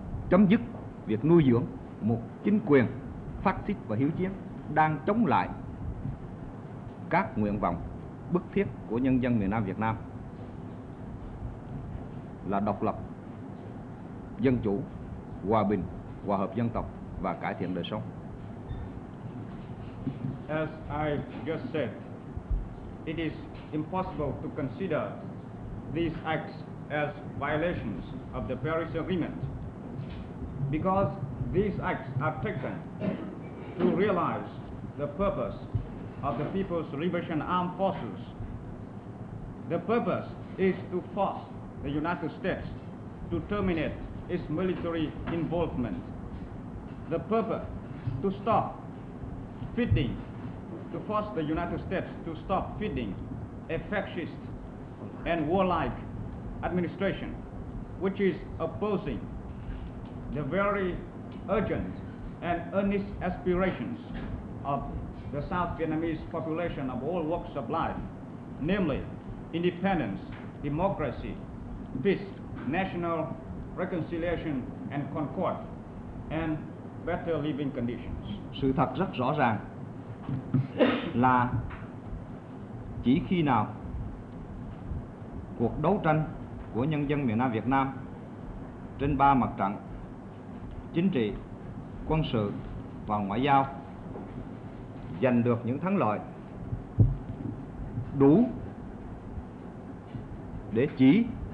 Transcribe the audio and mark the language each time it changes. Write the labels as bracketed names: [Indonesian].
[Vietnamese] chấm dứt việc nuôi dưỡng một chính quyền phát xít và hiếu chiến đang chống lại các nguyện vọng bức thiết của nhân dân miền Nam Việt Nam là độc lập, dân chủ, hòa bình, hòa hợp dân tộc và cải thiện đời sống. [English] As I just said, it is impossible to consider these acts as violations of the Paris Agreement, because these acts are taken to realize the purpose of the People's Liberation Armed Forces. The purpose is to force the United States to terminate its military involvement. The purpose to stop feeding, to force the United States to stop feeding a fascist and warlike administration, which is opposing the very urgent and earnest aspirations of the South Vietnamese population of all walks of life, namely independence, democracy, peace, national reconciliation and concord, and better living conditions. [Vietnamese] Sự thật rất rõ ràng là chỉ khi nào cuộc đấu tranh của nhân dân miền Nam Việt Nam trên ba mặt trận chính trị, quân sự và ngoại giao giành được những thắng lợi đủ để chỉ